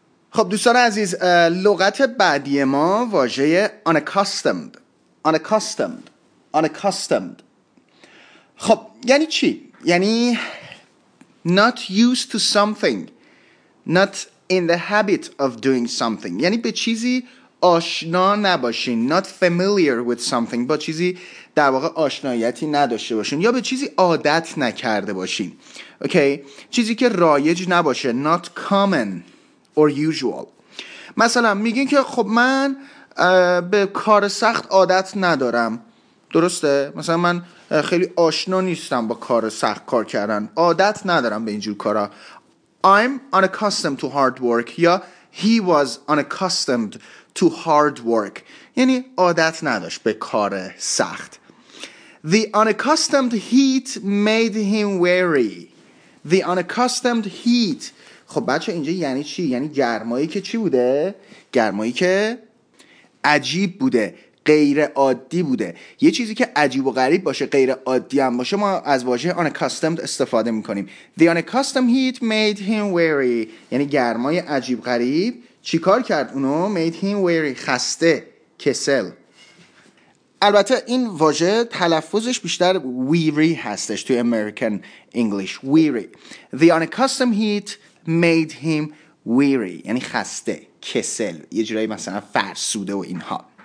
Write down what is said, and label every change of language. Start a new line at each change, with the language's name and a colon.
Persian: خب دوستان عزیز، لغت بعدی ما واژه unaccustomed. Unaccustomed. Unaccustomed. خب یعنی چی؟ یعنی
English: not used to something. Not in the habit of doing something.
Persian: یعنی به چیزی آشنا نباشین.
English: Not familiar with something.
Persian: با چیزی در واقع آشنایتی نداشته باشین. یا به چیزی عادت نکرده باشین.
English: Okay.
Persian: چیزی که رایج نباشه.
English: Not common. Or usual.
Persian: مثلا میگین که خب من به کار سخت عادت ندارم، درسته؟ مثلا من خیلی آشنا نیستم با کار سخت کار کردن، عادت ندارم به اینجور کارا.
English: I'm unaccustomed to hard work. یا he was unaccustomed to hard work.
Persian: یعنی عادت نداشت به کار سخت.
English: The unaccustomed heat made him weary. The unaccustomed heat.
Persian: خب بچه اینجا یعنی چی؟ یعنی گرمایی که چی بوده؟ گرمایی که عجیب بوده، غیر عادی بوده. یه چیزی که عجیب و غریب باشه، غیر عادی هم باشه، ما از واژه unaccustomed استفاده میکنیم.
English: The unaccustomed heat made him weary.
Persian: یعنی گرمای عجیب غریب چی کار کرد اونو؟
English: Made him weary.
Persian: خسته، کسل. البته این واژه تلفظش بیشتر weary هستش توی American English.
English: Weary. The unaccustomed heat made him weary.
Persian: یعنی خسته، کسل، یه جورایی مثلا فرسوده و اینها.